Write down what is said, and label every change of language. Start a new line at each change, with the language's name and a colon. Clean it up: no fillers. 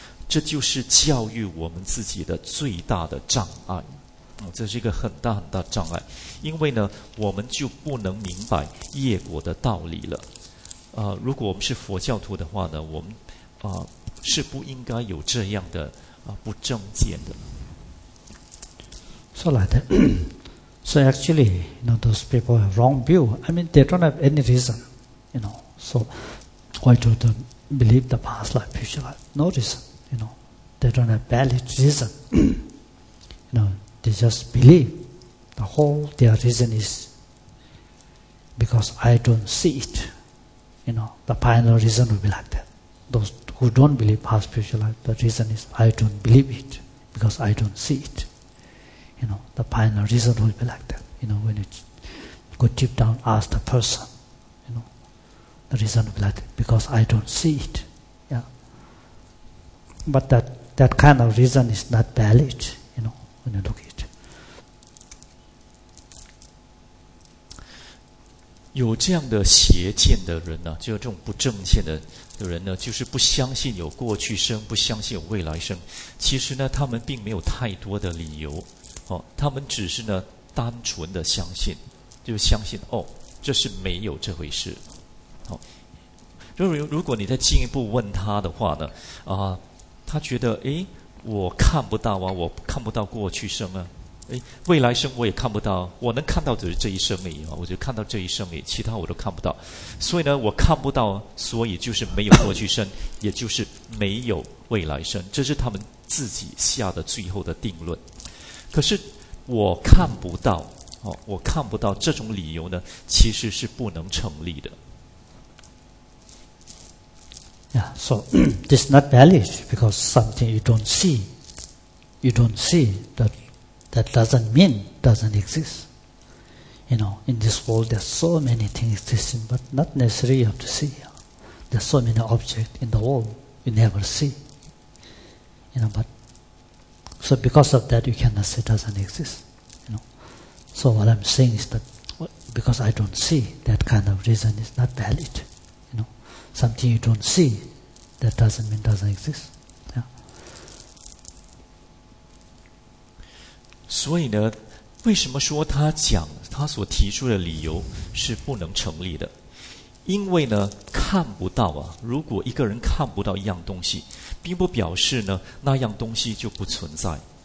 Chinese: 这就是教育我们自己的最大的障碍，这是一个很大很大的障碍，因为呢，我们就不能明白业果的道理了。如果我们是佛教徒的话呢，我们是不应该有这样的不正见的。
English: So like that, so actually, you know, those people have wrong view. I mean, they don't have any reason, you know. So why do they believe the past life, future life? No reason. You know, they don't have valid reason. You know, they just believe. The whole their reason is because I don't see it. You know, the final reason will be like that. Those who don't believe past, future life, the reason is I don't believe it because I don't see it. You know, the final reason will be like that. You know, when you go deep down, ask the person, you know, the reason will be like that because I don't see it. But that kind of reason is not valid, you know, when you look at it.
Chinese: 有这样的邪见的人呢、啊，就这种不正见的人呢，就是不相信有过去生，不相信有未来生。其实呢，他们并没有太多的理由，哦，他们只是呢单纯的相信，就相信哦，这是没有这回事。好、哦，如果你再进一步问他的话呢，啊。他觉得诶我看不到啊，我看不到过去生啊，诶未来生我也看不到，我能看到只是这一生而已啊，我就看到这一生而已，其他我都看不到，所以呢我看不到，所以就是没有过去生，也就是没有未来生，这是他们自己下的最后的定论。可是我看不到哦，我看不到这种理由呢其实是不能成立的。
English: Yeah, so this is not valid because something you don't see, that doesn't exist. You know, in this world there are so many things existing, but not necessarily you have to see. There are so many objects in the world you never see. You know, but so because of that, you cannot say it doesn't exist. You know. So what I'm saying is that because I don't see, that kind of reason is not valid. You know, something you don't see, that doesn't mean it doesn't exist.
Chinese: 所以呢，为什么说他讲他所提出的理由是不能成立的？因为呢，看不到啊。如果一个人看不到一样东西，并不表示呢那样东西就不存在。